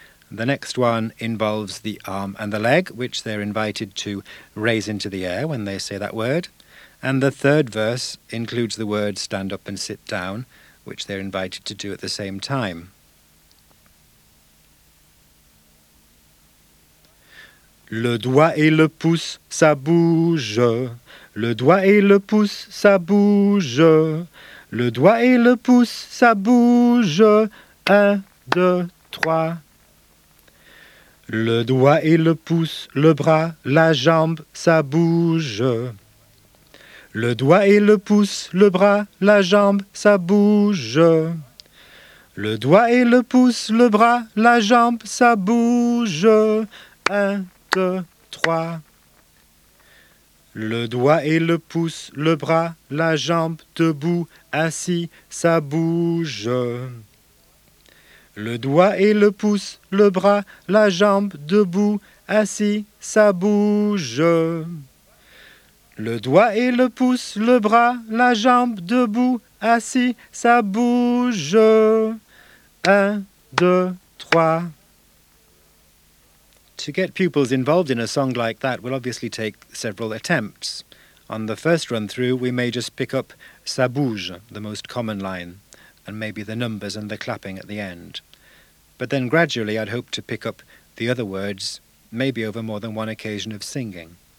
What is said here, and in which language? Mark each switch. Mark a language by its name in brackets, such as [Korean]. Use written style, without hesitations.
[English] The next one involves the arm and the leg, which they're invited to raise into the air when they say that word. And the third verse includes the words stand up and sit down, which they're invited to do at the same time. [French] Le doigt et le pouce, ça bouge. Le doigt et le pouce, ça bouge. Le doigt et le pouce, ça bouge. Un, deux, trois. Le doigt et le pouce, le bras, la jambe, ça bouge. Le doigt et le pouce, le bras, la jambe, ça bouge. Le doigt et le pouce, le bras, la jambe, ça bouge. Un, deux, trois. Le doigt et le pouce, le bras, la jambe, debout, assis, ça bouge. Le doigt et le pouce, le bras, la jambe, debout, assis, ça bouge. Le doigt et le pouce, le bras, la jambe, debout, assis, ça bouge. Un, deux, trois. [English] To get pupils involved in a song like that will obviously take several attempts. On the first run through, we may just pick up [French] ça bouge, [English] the most common line, and maybe the numbers and the clapping at the end. But then gradually I'd hope to pick up the other words, maybe over more than one occasion of singing.